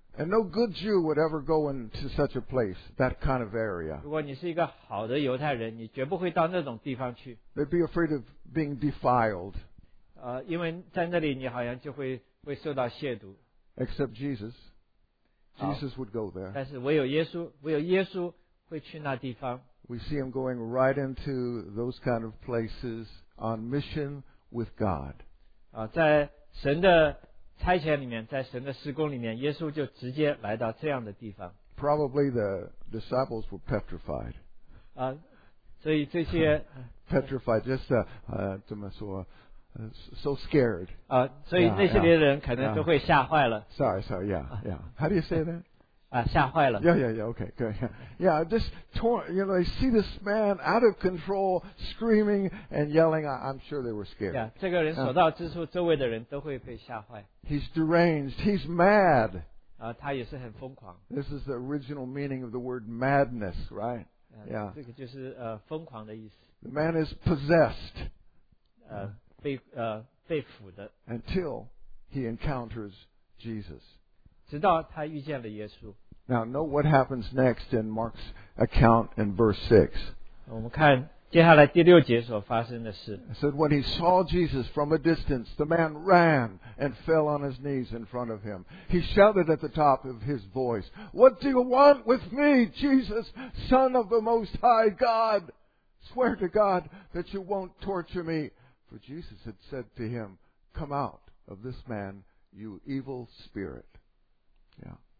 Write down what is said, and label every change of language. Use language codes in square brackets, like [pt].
[en] And no good Jew would ever go into such a place, that kind of area. [zh] 如果你是一个好的犹太人，你绝不会到那种地方去。 [en] They'd be afraid of being defiled. [zh] 因为在那里你好像就会受到亵渎。 [en] Except Jesus. Jesus would go there. [zh] 但是唯有耶稣会去那地方。 [en] We see him going right into those kind of places on mission with God. [zh] 在神的 差遣里面，在神的施工里面，耶稣就直接来到这样的地方。 [en] Probably the disciples were petrified. [zh] 所以这些 [en] petrified, just [zh] 怎么说 [en] so scared. [zh] 所以那些人可能都会吓坏了。 [en] Sorry, yeah. How do you say that? [zh] 吓坏了。 [en] Yeah, okay, good. Yeah, just torn. You know, they see this man out of control, screaming and yelling. I'm sure they were scared. [zh] Yeah, 这个人所到之处，周围的人都会被吓坏。 [en] He's deranged. He's mad. [zh] 他也是很疯狂。 [en] This is the original meaning of the word madness, right? Yeah. [zh] 这个就是疯狂的意思。 [en] The man is possessed. [zh] 被俘的。 [en] Until he encounters Jesus. [zh] 直到他遇见了耶稣。 [en] Now, note what happens next in Mark's account in verse 6. [zh] 我们看接下来第六节所发生的事。 [en] It said, when he saw Jesus from a distance, the man ran and fell on his knees in front of him. He shouted at the top of his voice, What do you want with me, Jesus, Son of the Most High God? Swear to God that you won't torture me. For Jesus had said to him, Come out of this man, you evil spirit. Yeah.